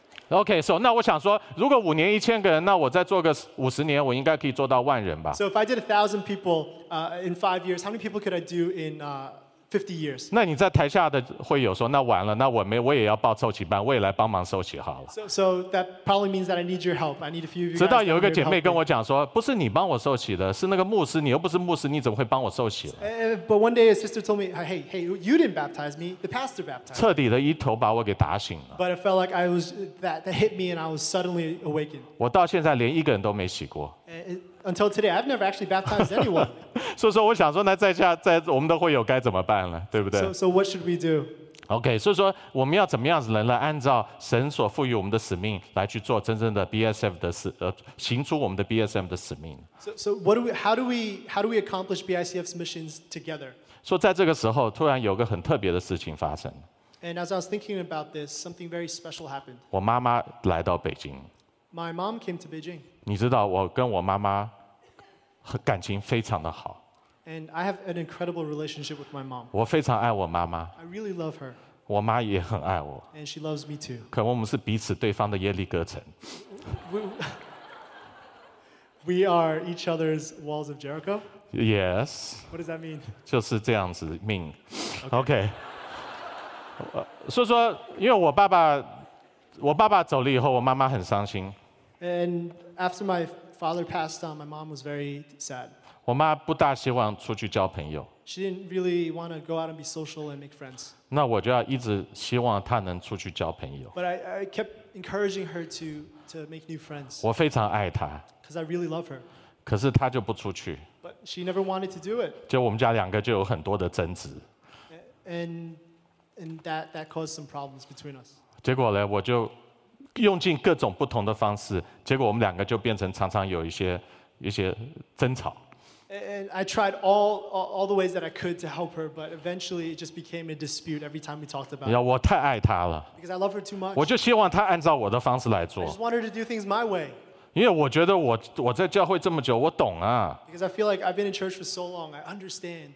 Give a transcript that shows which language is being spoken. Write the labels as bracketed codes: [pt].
[en] Okay, so [zh] 那我想说，如果五年1000个人，那我再做个50年，我应该可以做到万人吧 [en] ？So if I did 1,000 people in 5 years, how many people could I do in 50 years. [zh] 那你在台下的会友说，那完了，那我也要报受洗班，我也来帮忙受洗好了。 [en] So that probably means that I need your help. I need a few of you. [zh] 直到有一个姐妹跟我讲说，不是你帮我受洗的，是那个牧师，你又不是牧师，你怎么会帮我受洗了 [en] ？But one day a sister told me, hey, you didn't baptize me. The pastor baptized. [zh] 彻底的一头把我给打醒了。 [en] But it felt like I was that hit me and I was suddenly awakened. [zh] 我到现在连一个人都没洗过。 [en] Until today, I've never actually baptized anyone. [zh] 所以说，我想说，那在我们的会友该怎么办呢？对不对 [en] ？So what should we do? [zh] Okay, 所以说我们要怎么样子能来按照神所赋予我们的使命来去做真正的 BSF 的使行出我们的 BSF 的使命 [en] ？So what do we? How do we accomplish BICF's missions together? [zh] 说在这个时候，突然有个很特别的事情发生。 [en] And as I was thinking about this, something very special happened. [zh] 我妈妈来到北京。 [en] My mom came to Beijing. [zh] 你知道我跟我妈妈感情非常的好。 [en] And I have an incredible relationship with my mom. [zh] 我非常爱我妈妈。 [en] I really love her. [zh] 我妈也很爱我。 [en] And she loves me too. [zh] 可我们是彼此对方的耶利哥城。 [en] We are each other's walls of Jericho. Yes. What does that mean? [zh] 就是这样子命。Okay. 所以说，因为我爸爸走了以后，我妈妈很伤心。 [en] And after my father passed on, my mom was very sad. [zh] 我妈不大希望出去交朋友。 [en] She didn't really want to go out and be social and make friends. [zh] 那我就要一直希望她能出去交朋友。 [en] But I kept encouraging her to make new friends. [zh] 我非常爱她。 [en] Because I really love her. [zh] 可是她就不出去。 [en] But she never wanted to do it. [zh] 就我们家两个就有很多的争执。 [en] And that caused some problems between us. [zh] 结果呢，我就用尽各种不同的方式，结果我们两个就变成常常有一些争吵。 [en] And I tried all the ways that I could to help her, but eventually it just became a dispute every time we talked about it. [zh] Yeah, 我太爱她了。 [en] Because I love her too much. [zh] 我就希望她按照我的方式来做。 [en] I just want her to do things my way. [zh] 因为我觉得我在教会这么久，我懂啊。 [en] Because I feel like I've been in church for so long, I understand.